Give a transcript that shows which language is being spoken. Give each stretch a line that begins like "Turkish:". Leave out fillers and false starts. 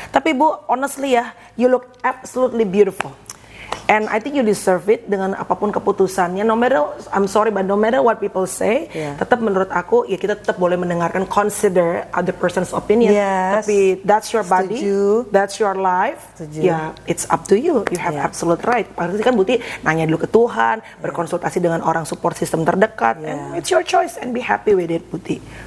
Indonesian: Tapi Bu,
English: honestly ya, you look absolutely beautiful. And I think you deserve it
Indonesian: dengan apapun keputusannya.
English: No matter what people say,
Indonesian: tetap menurut aku ya kita tetap boleh mendengarkan
English: consider other person's opinion. Yes.
Indonesian: Tapi
English: that's your body.
Indonesian: Setuju.
English: That's your life. It's up to you. You have absolute right.
Indonesian: Pasti kan Buti nanya dulu ke Tuhan, berkonsultasi dengan orang support system terdekat.
English: And it's your choice and be happy with it, Buti.